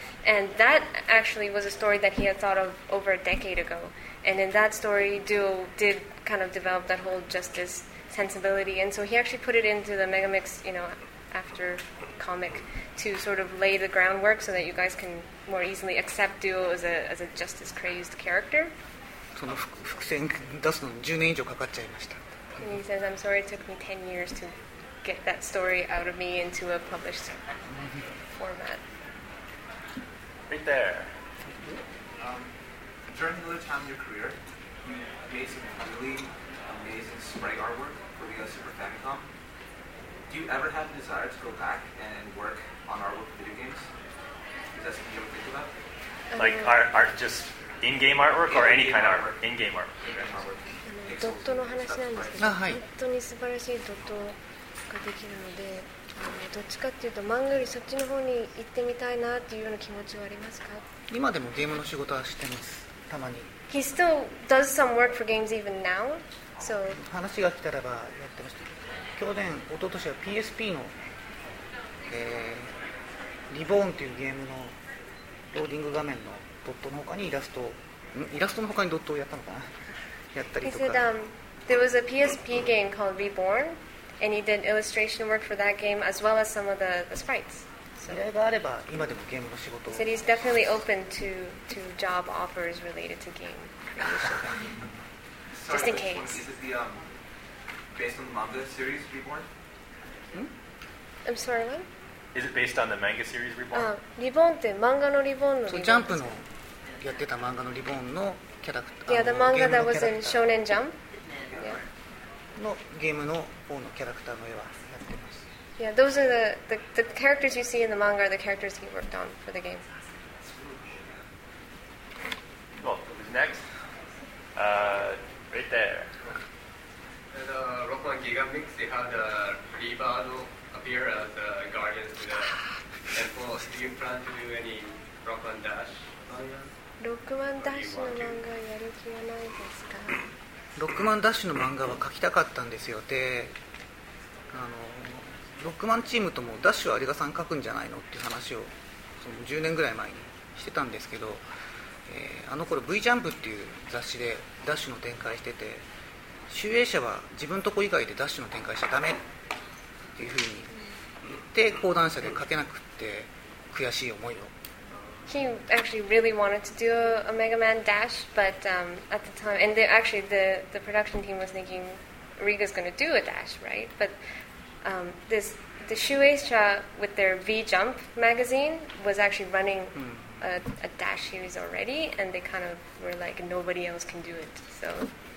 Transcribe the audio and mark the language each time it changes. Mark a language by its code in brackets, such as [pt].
[en] And that actually was a story that he had thought of over a decade ago. And in that story, Duo did kind of develop that whole justice sensibility. And so he actually put it into the Megamix, you know, after comic to sort of lay the groundwork so that you guys can... more easily accept Duo as a justice crazed character. [ja] その伏線出すのに10年以上かかっちゃいました。 [en] And he says, I'm sorry it took me 10 years to get that story out of me into a published format. Right there. During the time of your career, you made some really amazing spray artwork for the Super Famicom. Do you ever have a desire to go back and work on artwork for video games? Like art, just in-game artwork or any kind of artwork? In-game artwork. [ja] ドットの話なんですけど、本当に素晴らしいドットができるので、どっちかっていうと漫画よりそっちの方に行ってみたいなっていうような気持ちはありますか？今でもゲームの仕事はしてます。たまに。 [en] He still does some work for games even now. So [ja] 話が来たらばやってました。去年、一昨年は PSP の、リボーンというゲームのローディング画面のドットの他にイラストの他にドットをやったのかな、やったりとか。 [en] He said, there was a PSP game called Reborn, and he did illustration work for that game as well as some of the sprites. [ja] So, 依頼があれば今でもゲームの仕事を。 [en] He said he's definitely open to job offers related to game creation. Just in case. Is it the based on the manga series Reborn? I'm sorry, what? Is it based on the manga series Reborn? [ja] リボンって漫画のリボンの。そう、ジャンプのやってた漫画のリボンのキャラクター、 [en] yeah, the manga that was in Shonen Jump. [ja] のゲームの方のキャラクターの絵はやってます。 [en] Yeah, those are the characters you see in the manga are the characters he worked on for the game. Well, who's next? Right there. And Rockman Gigamix, they had Ribado appear as a guardian to the temple. Do you plan to do any Rockman Dash manga? [ja] Rockman Dash の漫画やる気はないですか？ロックマンダッシュの漫画は描きたかったんですよ。で、あのロックマンチームともダッシュは有賀さん描くんじゃないのっていう話をその10年ぐらい前にしてたんですけど、あの頃 V ジャンプっていう雑誌でダッシュの展開してて、集英社は自分とこ以外でダッシュの展開しちゃダメっていうふうに言って講談社で描けなくって悔しい思いを。 [en] He actually really wanted to do a Mega Man Dash, but at the time, and the production team was thinking Riga's going to do a Dash, right? But the Shueisha with their V Jump magazine was actually running a Dash series already, and they kind of were like, nobody else can do it. So.